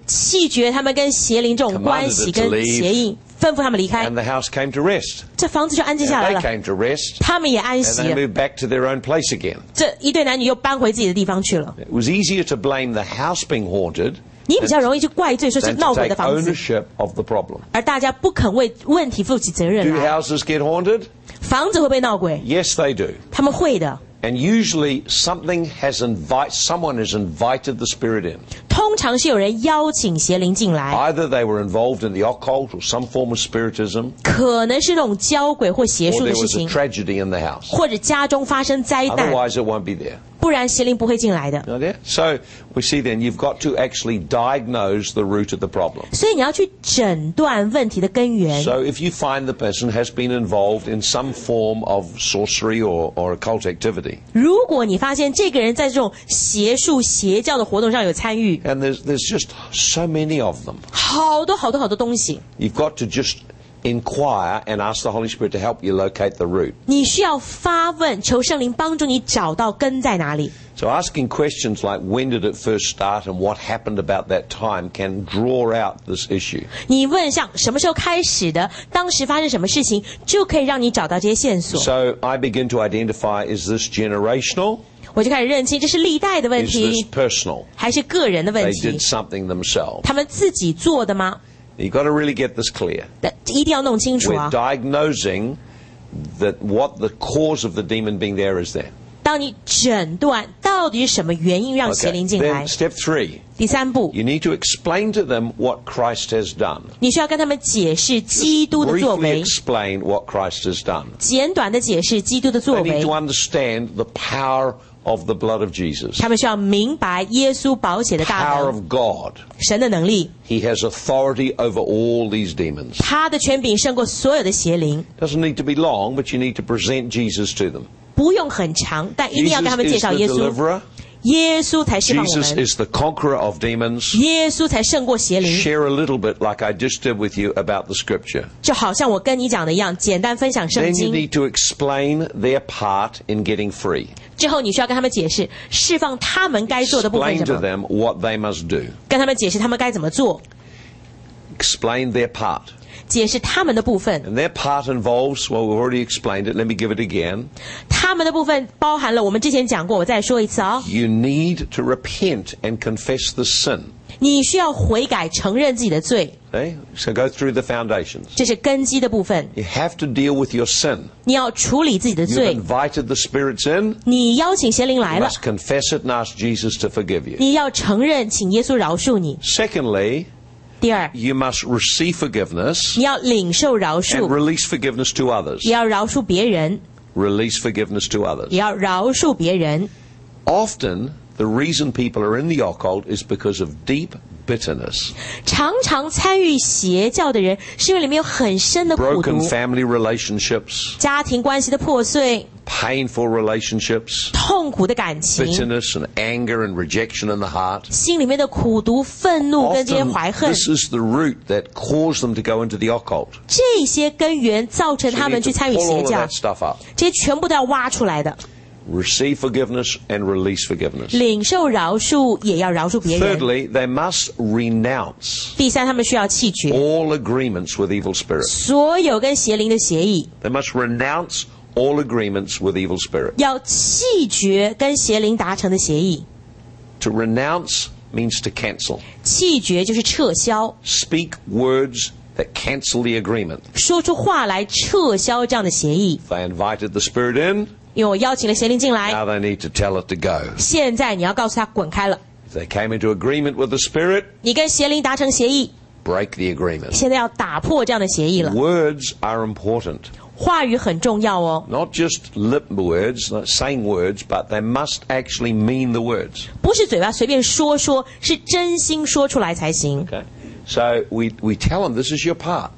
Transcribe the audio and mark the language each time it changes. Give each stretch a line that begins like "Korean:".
Chinese: 弃绝他们跟邪灵这种关系跟协议，吩咐他们离开。
English: And the house came to rest.
Chinese: 这房子就安静下来了。
English: And they came to rest.
Chinese: 他们也安息了。
English: And they moved back to their own place again.
Chinese: 这一对男女又搬回自己的地方去了。
English: It was easier to blame the house being haunted.
Chinese: 你比较容易去怪罪说是闹鬼的房子而大家不肯为问题负起责任来
English: Do houses get haunted?
Chinese: 房子会被闹鬼
English: Yes, they do
Chinese: 他们会的
English: And usually something has invited, someone has invited the spirit in.
Chinese: 通常是有人邀请邪灵进来。
English: Either they were involved in the occult or some form of spiritism.
Chinese: 可能是那种交鬼或邪术的事情。
English: Or there was a tragedy in the house.
Chinese: 或者家中发生灾难。
English: Otherwise it won't be there.
Chinese: 不然邪灵不会进来的。
English: So we see then you've got to actually diagnose the root of the problem.
Chinese: 所以你要去诊断问题的根源。
English: So if you find the person has been involved in some form of sorcery or occult activity.
Chinese: 如果你发现这个人在这种邪术邪教的活动上有参与。
English: And there's just so many of them.
Chinese: 好多好多好多东西。
English: You've got to just... inquire and ask the Holy Spirit to help you locate the root.
Chinese: 你需要发问，求圣灵帮助你找到根在哪里。
English: So asking questions like when did it first start and what happened about that time can draw out this issue.
Chinese: 你问像什么时候开始的，当时发生什么事情，就可以让你找到这些线索。
English: So I begin to identify, is this generational?
Chinese: 我就开始认清这是历代的问题。
English: Is this personal?
Chinese: 还是个人的问题。
English: They did something themselves.
Chinese: 他们自己做的吗？
English: You've got to really get this clear.
Chinese: 一定要弄清楚啊。
English: We're diagnosing that what the cause of the demon being there is there.
Chinese: 当你诊断到底是什么原因让邪灵进来。
English: Okay, then step three.
Chinese: 第三步。
English: You need to explain to them what Christ has done.
Chinese: 你需要跟他们解释基督的作为。
English: Briefly explain what Christ has done.
Chinese: 简短地解释基督的作为。
English: They need to understand the power of the blood of Jesus.
Chinese: 他们需要明白耶稣宝血的大能。
English: Power of God.
Chinese: 神的能力。
English: He has authority over all these demons.
Chinese: 他的权柄胜过所有的邪灵。
English: Doesn't need to be long, but you need to present Jesus to them.
Chinese: 不用很长，但一定要跟他们介绍耶稣。
English: Jesus is the deliverer.
Chinese: 耶稣才释放我们。
English: Jesus is the conqueror of demons.
Chinese: 耶稣才胜过邪灵。
English: Share a little bit like I just did with you about the scripture.
Chinese: 就好像我跟你讲的一样，简单分享圣经。
English: Then you need to explain their part in getting free.
Chinese: 之后你需要跟他们解释释放他们该做的部分是什么
English: Explain to them what they must do.
Chinese: 跟他们解释他们该怎么做
English: Explain their part.
Chinese: 解释他们的部分
English: And their part involves, well we've already explained it, let me give it again.
Chinese: 他们的部分包含了我们之前讲过我再说一次哦
English: You need to repent and confess the sin.
Chinese: 你需要悔改承认自己的罪
English: okay, So go through the foundations.
Chinese: 这是根基的部分
English: You have to deal with your sin.
Chinese: 你要处理自己的罪
English: You've invited the spirits in.
Chinese: 你邀请邪灵来了
English: You must confess it and ask Jesus to forgive you.
Chinese: 你要承认请耶稣饶恕你
English: Secondly,
Chinese: 第二
English: You must receive forgiveness.
Chinese: 你要领受饶恕
English: And release forgiveness to others.
Chinese: 也要饶恕别人
English: Release forgiveness to others.
Chinese: 也要饶恕别人
English: OftenThe reason people are in the occult is because of deep bitterness.
Chinese: 常常参与邪教的人是因为里面有很深的苦毒。
English: Broken family relationships.
Chinese: 家庭关系的破碎。
English: Painful relationships.
Chinese: 痛苦的感情。
English: Bitterness and anger and rejection in the heart.
Chinese: 心里面的苦毒、愤怒跟这些怀恨。
English: This is the root that caused them to go into the occult.
Chinese: 这些根源造成他们去参与邪教。这些全部都要挖出来的。
English: Receive forgiveness and release forgiveness.
Chinese: 领受饶恕也要饶恕别人。
English: Thirdly, they must renounce.
Chinese: 第三，他们需要弃绝。
English: All agreements with evil spirits.
Chinese: 所有跟邪灵的协议。
English: They must renounce all agreements with evil spirits.
Chinese: 要弃绝跟邪灵达成的协议。
English: To renounce means to cancel.
Chinese: 弃绝就是撤销。
English: Speak words. That cancel the agreement.
Chinese: 说出话来撤销这样的协议。
English: They invited the spirit in.
Chinese: 因为我邀请了邪灵进来。
English: Now they need to tell it to go.
Chinese: 现在你要告诉他滚开了。
English: If they came into agreement with the spirit.
Chinese: 你跟邪灵达成协议。
English: Break the agreement.
Chinese: 现在要打破这样的协议了。
English: Words are important.
Chinese: 话语很重要哦。
English: Not just lip words, not saying words, but they must actually mean the words.
Chinese: 不是嘴巴随便说说，是真心说出来才行。
English: Okay. So we tell them this is your part.